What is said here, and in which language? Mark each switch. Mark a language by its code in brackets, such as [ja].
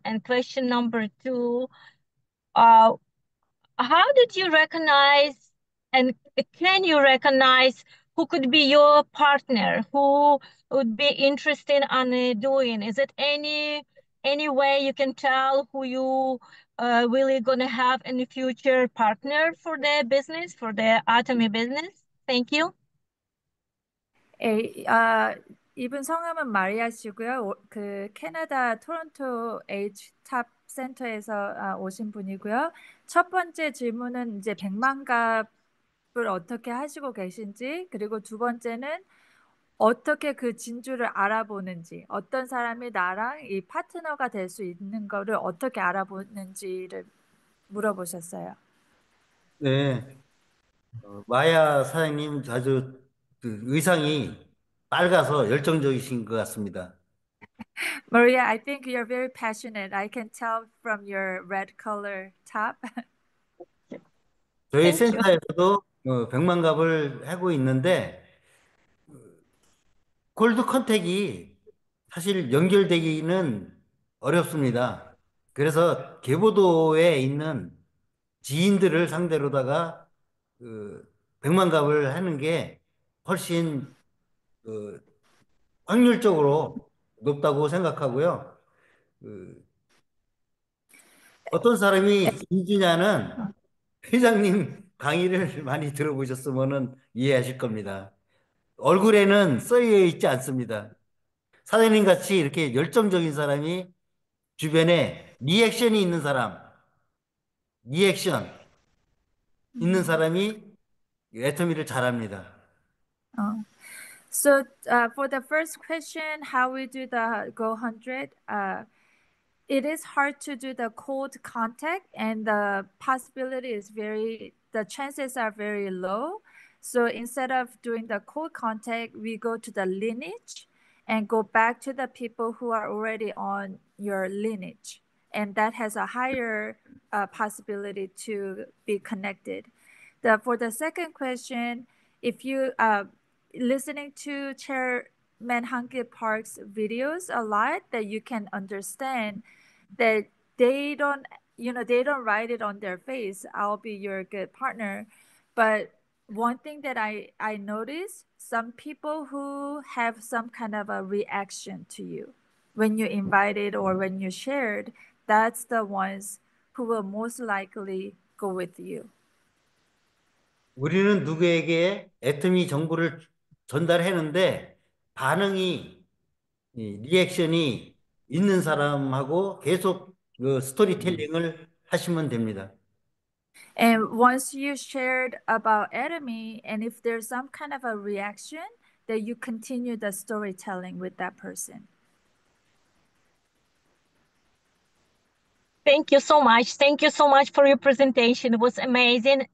[en] And question number two, how did you recognize and can you recognize who could be your partner, who would be interested in doing? Is it any way you can tell who you really gonna have in the future partner for their business, for their Atomy business? Thank you. [ko] 이분 성함은 마리아 씨고요. 캐나다 토론토 에이지 탑 센터에서 오신 분이고요. 첫 번째 질문은 이제 백만갑을 어떻게 하시고 계신지, 그리고 두 번째는 어떻게 그 진주를 알아보는지, 어떤 사람이 나랑 이 파트너가 될수 있는 거를 어떻게 알아보는지를 물어보셨어요. 네, 마야 사장님 아주 의상이 밝아서 열정적이신 것 같습니다. [en] Maria, I think you're very passionate. I can tell from your red color top. [ko] 저희 [en] Thank you. [ko] 센터에서도 백만갑을 하고 있는데 골드 컨택이 사실 연결되기는 어렵습니다. 그래서 계보도에 있는 지인들을 상대로다가 백만갑을 하는 게 훨씬 확률적으로 높다고 생각하고요. 어떤 사람이 진주냐는 회장님 강의를 많이 들어보셨으면 이해하실 겁니다. 얼굴에는 써여 있지 않습니다. 사장님 같이 이렇게 열정적인 사람이 주변에 리액션이 있는 사람. 리액션 있는 사람이 애터미를 잘합니다. [en] So for the first question, how we do the Go 100, it is hard to do the cold contact, and the possibility is very, the chances are very low. So instead of doing the cold contact, we go to the lineage and go back to the people who are already on your lineage. And that has a higher possibility to be connected. For the second question, if you listening to Chairman Hanke Park's videos a lot, that you can understand that they don't write it on their face, I'll be your good partner. But one thing that I noticed, some people who have some kind of a reaction to you when you invited or when you shared, that's the ones who will most likely go with you. [ko] 우리는 누구에게 애터미 정보를 전달했는데 반응이, 리액션이 있는 사람하고 계속 그 스토리텔링을 하시면 됩니다. [en] And once you shared about Atomy, and if there's some kind of a reaction, that you continue the storytelling with that person. Thank you so much. Thank you so much for your presentation. It was amazing.